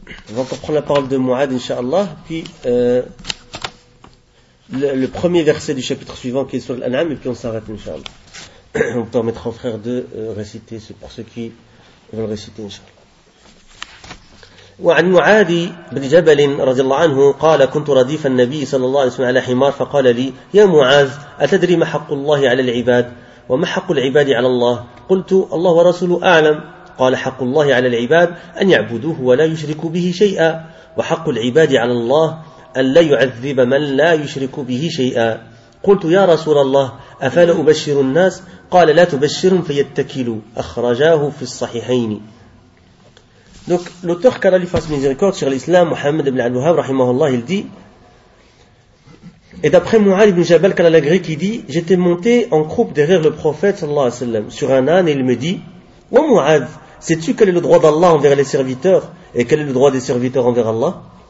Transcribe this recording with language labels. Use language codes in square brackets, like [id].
[fr] On va reprendre la parole de Mu'ad, inshallah, puis le premier verset du chapitre suivant qui est sur l'An'am, et puis on s'arrête, inshallah. On permettra aux frères de réciter ce pour ceux qui veulent réciter, inshallah. [ar] وعن معاذ بن جبل رضي الله عنه قال كنت رديف النبي صلى الله عليه وسلم على حمار فقال لي يا معاذ أتدري ما حق الله على العباد وما حق العباد على الله قلت الله ورسوله أعلم قال حق الله على العباد أن يعبدوه ولا يشركوا به شيئا وحق العباد على الله أن لا يعذب من لا يشرك به شيئا قلت يا رسول الله أفلا أبشر الناس قال لا تبشرهم فيتكلوا أخرجاه في الصحيحين. [fr] Donc l'auteur qu'a la face miséricorde sur l'islam Mohammed ibn al-Wahhab rahimahullah il dit et d'après Mu'ad ibn Jabal qu'a la grecque il dit j'étais monté en croupe derrière le prophète sallallahu alayhi wa sallam sur un âne et il me dit ô Mu'ad, sais-tu quel est le droit d'Allah envers les serviteurs et quel est le droit des serviteurs envers Allah?